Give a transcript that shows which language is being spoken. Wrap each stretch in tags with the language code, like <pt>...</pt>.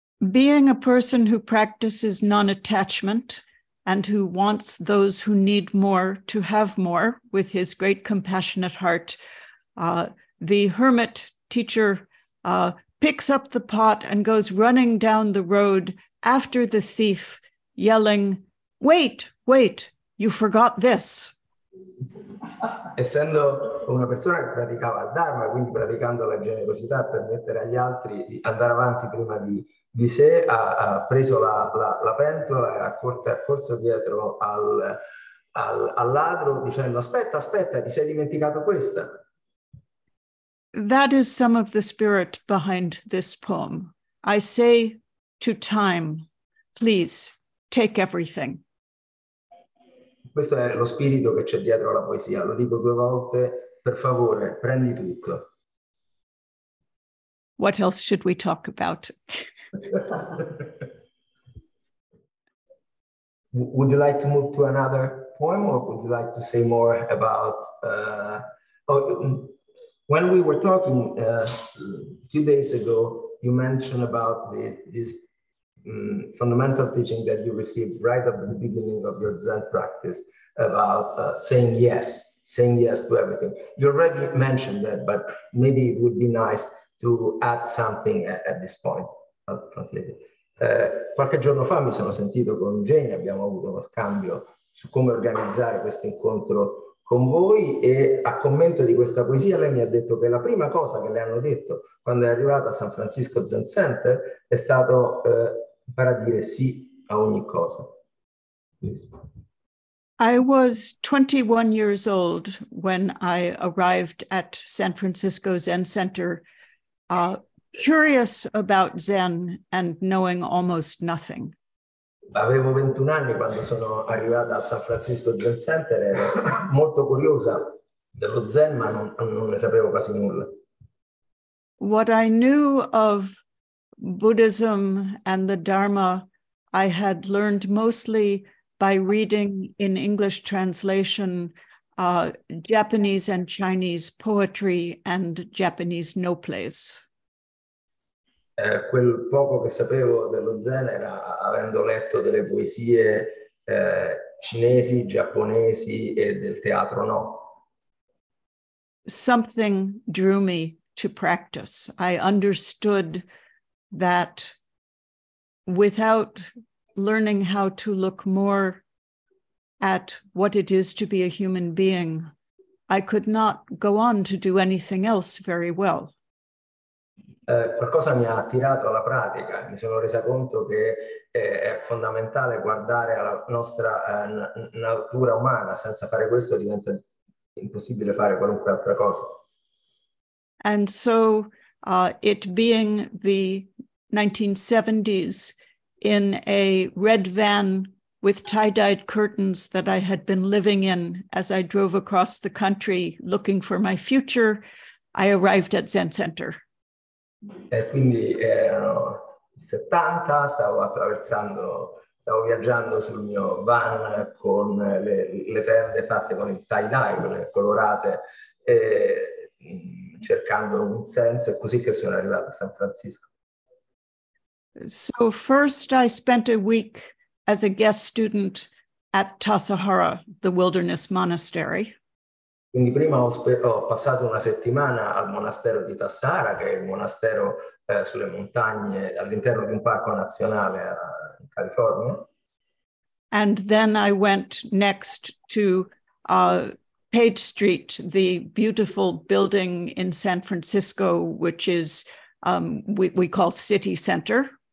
<en>Being a person who practices non-attachment and who wants those who need more to have more with his great compassionate heart, the hermit teacher picks up the pot and goes running down the road after the thief, yelling, "Wait, wait, you forgot this."</en> <it>Essendo una persona che praticava il Dharma, quindi praticando la generosità per mettere agli altri di andare avanti prima di sé, ha preso la pentola e ha corso dietro al ladro dicendo, "Aspetta, aspetta, ti sei dimenticato questa."</it> <en>That is some of the spirit behind this poem. I say to time, please take everything.</en> <it>Questo è lo spirito che c'è dietro alla poesia. Lo dico due volte, per favore, prendi tutto.</it> <en>What else should we talk about? Would you like to move to another poem or would you like to say more about... When we were talking a few days ago, you mentioned about this fundamental teaching that you received right at the beginning of your Zen practice about saying yes to everything. You already mentioned that, but maybe it would be nice to add something at this point. I'll translate it.</en> <it>Qualche giorno fa mi sono sentito con Jane, abbiamo avuto uno scambio su come organizzare questo incontro con voi e a commento di questa poesia lei mi ha detto che la prima cosa che le hanno detto quando è arrivata a San Francisco Zen Center è stato imparare a dire sì a ogni cosa.</it> <en>I was 21 years old when I arrived at San Francisco Zen Center, curious about Zen and knowing almost nothing.</en> <it>Avevo 21 anni quando sono arrivata al San Francisco Zen Center, ero molto curiosa dello Zen, ma non ne sapevo quasi nulla.</it> <en>What I knew of Buddhism and the Dharma, I had learned mostly by reading in English translation Japanese and Chinese poetry and Japanese no plays.</en> <it>Quel poco che sapevo dello Zen era avendo letto delle poesie cinesi, giapponesi e del teatro no.</it> <en>Something drew me to practice. I understood that without learning how to look more at what it is to be a human being, I could not go on to do anything else very well.</en> <it>Qualcosa mi ha attirato alla pratica, mi sono resa conto che è fondamentale guardare alla nostra natura umana. Senza fare questo diventa impossibile fare qualunque altra cosa.</it> <en>And so, it being the 1970s, in a red van with tie-dyed curtains that I had been living in as I drove across the country looking for my future, I arrived at Zen Center.</en> <it>E quindi erano 70, stavo viaggiando sul mio van con le tende fatte con il tie-dye, le colorate, e cercando un senso, è così che sono arrivato a San Francisco.</it> <en>So first I spent a week as a guest student at Tassajara, the wilderness monastery.</en> <it>Quindi prima ho passato una settimana al monastero di Tassajara, che è il monastero sulle montagne all'interno di un parco nazionale in California.</it> <en>And then I went next to Page Street, the beautiful building in San Francisco, which is we call City Center.</en>